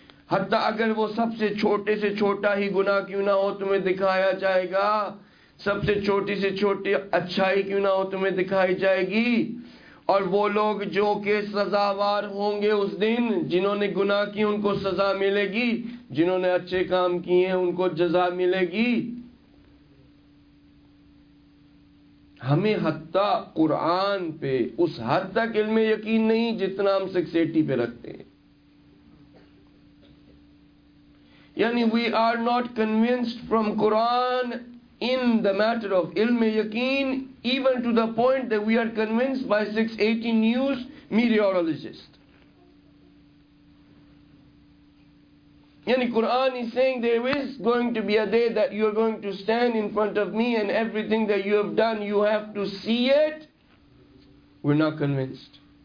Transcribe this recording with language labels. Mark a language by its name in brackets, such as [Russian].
[Urdu] حتیٰ اگر وہ سب سے چھوٹے سے چھوٹا ہی گناہ کیوں نہ ہو تمہیں دکھایا جائے گا، سب سے چھوٹی سے چھوٹی اچھائی کیوں نہ ہو تمہیں دکھائی جائے گی، اور وہ لوگ جو کہ سزاوار ہوں گے اس دن، جنہوں نے گناہ کی ان کو سزا ملے گی، جنہوں نے اچھے کام کیے ہیں ان کو جزا ملے گی. ہمیں حتیٰ قرآن پہ اس حد تک علم یقین نہیں جتنا ہم 680 پہ رکھتے ہیں. [English] یعنی we are not convinced from Quran in the matter of علم یقین، even to the point that we are convinced by 680 news meteorologist. Yani Quran is saying there is going to be a day that you are going to stand in front of me and everything that you have done, you have to see it. We're not convinced.